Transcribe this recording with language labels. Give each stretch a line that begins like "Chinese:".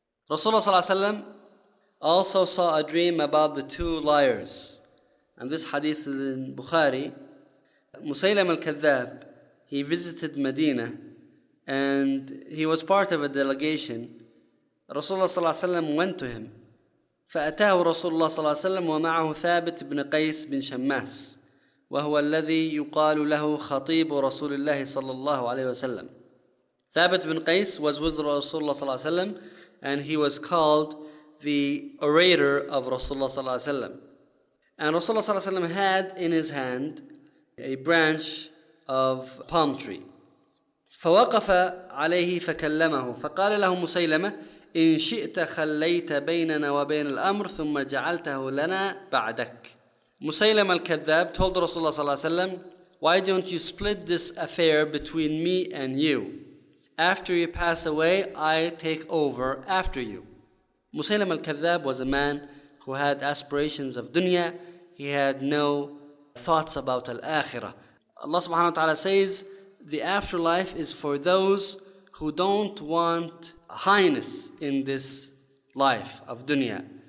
English: Rasulullah sallallahu alaihi wasallam also saw a dream about the two liars, and this hadith is in Bukhari. Musaylam al-Kadhab, he visited Medina and he was part of a delegation. Rasulullah صلى الله عليه وسلم went to him.
Arabic: فأتاه رسول الله صلى الله عليه وسلم ومعه ثابت بن قيس بن شماس وهو الذي يقال له خطيب رسول الله صلى الله عليه وسلم.
English: ثابت بن قيس was with رسول الله صلى الله عليه وسلم and he was called the orator of رسول الله صلى الله عليه وسلم. And رسول الله صلى الله عليه وسلم had in his hand a branch of palm tree.
Arabic: فوقف عليه فكلمه فقال له مسيلمة إن شئت خليت بيننا وبين الأمر ثم جعلته لنا بعدك.
English: مسيلمة الكذاب told رسول الله صلى الله عليه وسلم, why don't you split this affair between me and you? After you pass away, I take over after you. مسيلمة الكذاب was a man who had aspirations of dunya. He had no thoughts about الآخرة. Allah subhanahu wa ta'ala says, the afterlife is for those who don't want highness in this life of dunya.